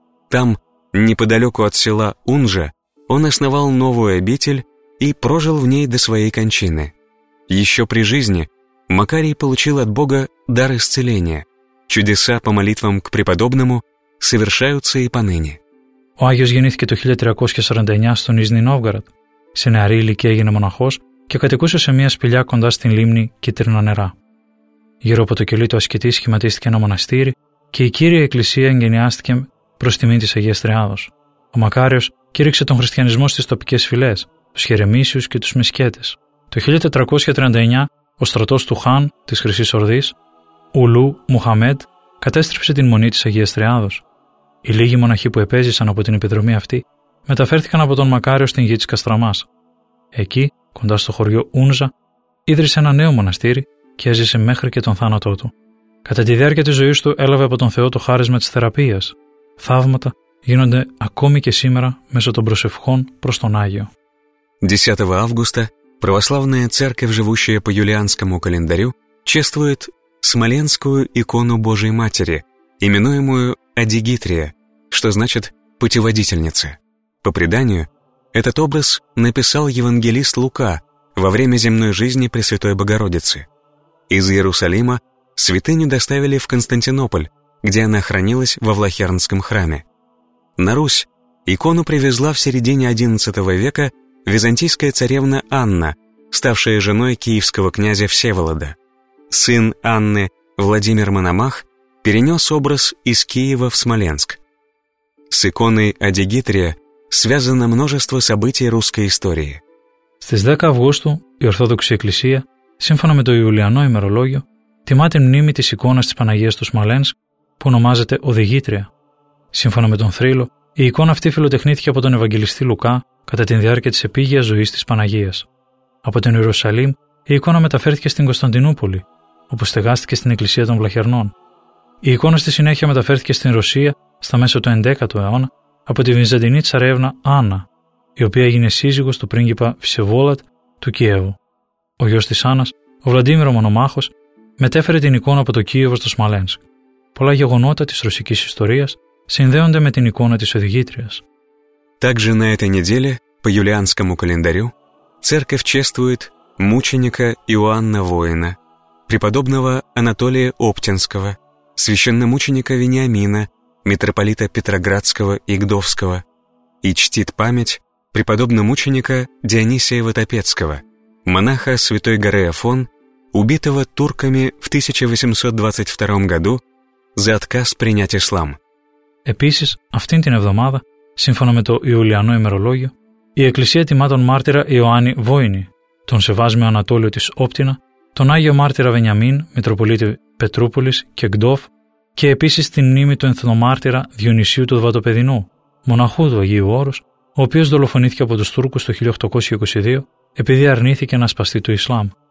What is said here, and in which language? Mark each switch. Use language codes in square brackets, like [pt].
[ru] Там, неподалеку от села Унжа, он основал новую обитель и прожил в ней до своей кончины. Еще при жизни Макарий получил от Бога дар исцеления. Чудеса по молитвам к преподобному совершаются и поныне. [el] Ο Άγιος γεννήθηκε το 1349 στο Νίζνη Νόβγαρατ. Σε νεαρή ηλικία έγινε μοναχός και κατοικούσε σε μια σπηλιά κοντά στην λίμνη Κίτρινα Νερά. Γύρω από το κελί του ασκητή σχηματίστηκε ένα μοναστήρι και η κύρια εκκλησία εγγενιάστηκε προς τιμήν της Αγίας Τριάδος. Ο Μακάριος κήρυξε τον χριστιανισμό στις τοπικές φυλές, τους χερεμίσιους και τους μισκέτες. Το 1439 ο στρατός του Χάν της Χρυσής Ορδής, Ουλού Μουχαμέντ, κατέστρεψε την μονή της Αγίας Τριάδος. Οι λίγοι μοναχοί που επέζησαν από την επιδρομή αυτή μεταφέρθηκαν από τον Μακάριο στην γη της Καστραμάς. Εκεί, κοντά στο χωριό Ούνζα, ίδρυσε ένα νέο μοναστήρι και έζησε μέχρι και τον θάνατό του. Κατά τη διάρκεια της ζωής του έλαβε από τον Θεό το χάρισμα της θεραπείας. Θαύματα γίνονται ακόμη και σήμερα μέσω των προσευχών προς τον Άγιο. [ru] 10 Αύγουστα, православная церковь, живущая по юлианскому календарю, чествует Смоленскую икону Божией Матери, именуемую Одигитрия, что значит «путеводительница». По преданию, этот образ написал евангелист Лука во время земной жизни Пресвятой Богородицы. Из Иерусалима святыню доставили в Константинополь, где она хранилась во Влахернском храме. На Русь икону привезла в середине XI века византийская царевна Анна, ставшая женой киевского князя Всеволода. Сын Анны, Владимир Мономах, перенес образ из Киева в Смоленск. С иконой Одигитрия связано множество событий русской истории. [el] Στις 10 Αυγούστου η Ορθόδοξη Εκκλησία, σύμφωνα με το Ιουλιανό ημερολόγιο, τιμά την μνήμη της εικόνας της Παναγίας του Σμαλένσκ, που ονομάζεται Οδηγήτρια. Σύμφωνα με τον Θρύλο, η εικόνα αυτή φιλοτεχνήθηκε από τον Ευαγγελιστή Λουκά κατά τη διάρκεια της επίγειας ζωής της Παναγίας. Από τον Ιερουσαλήμ, η εικόνα μεταφέρθηκε στην Κωνσταντινούπολη, όπου στεγάστηκε στην Εκκλησία των Βλαχερνών. Η εικόνα στη συνέχεια μεταφέρθηκε στην Ρωσία στα μέσα του 11ου αιώνα από τη Βυζαντινή τσαρεύνα Άννα, η οποία έγινε σύζυγος του πρίγκιπα Φσεβόλατ του Κιέβου. Ο γιος της Άννας, ο Βλαντίμιρο Μονομάχος, μετέφερε την εικόνα από το Κίεβο στο Σμαλένσκ. Πολλά γεγονότα της ρωσικής ιστορίας συνδέονται με την εικόνα της Οδηγήτριας. [ru] Также на этой неделе по юлианскому календарю церковь чествует мученика Иоанна Воина, преподобного Анатолия Оптинского, священномученика Вениамина, митрополита Петроградского и Гдовского, и чтит память преподобномученика Дионисия Ватопецкого, монаха Святой горы Афон, убитого турками в 1822 году за отказ принять ислам. [el] Επίσης, αυτήν την εβδομάδα, σύμφωνα με το Ιουλιανό ημερολόγιο, η Εκκλησία τιμά τον μάρτυρα Ιωάννη Βόινη, τον Σεβάσμιο Ανατόλιο της Όπτινα, τον Άγιο Μάρτυρα Βενιαμίν, Μητροπολίτη Πετρούπολης και Γκντόφ, και επίσης την μνήμη του Ενθνομάρτυρα Διονυσίου του Δβατοπεδινού, μοναχού του Αγίου Όρους, ο οποίος δολοφονήθηκε από τους Τούρκους το 1822 επειδή αρνήθηκε να σπαστεί του Ισλάμ.